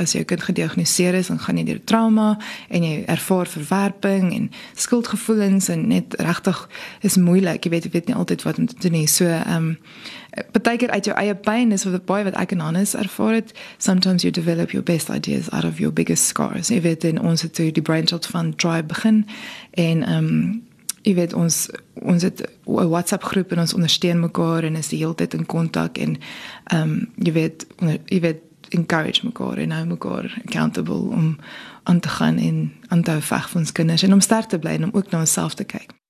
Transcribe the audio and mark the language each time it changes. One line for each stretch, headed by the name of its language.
Afrikaans: As jou kind gediagnoseer is, dan gaan jy deur trauma en jy ervaar verwerping en skuldgevoelens en net regtig is moeilik. Jy weet nie altyd wat om te doen nie. So, partykeer uit jou eie pyn is wat baie wat ek en Hannes ervaar het.
English: Sometimes you develop your best ideas out of your biggest scars.
Afrikaans: Jy weet, en ons het toe die Brainchild van Tribe begin en jy weet, ons het 'n WhatsApp groep en ons ondersteun mekaar en is die hele tyd in kontak en jy weet, encourage mekaar en hou mekaar accountable om aan te gaan en aan te hou veg vir ons kinders en om sterk te bly en om ook na onsself te kyk.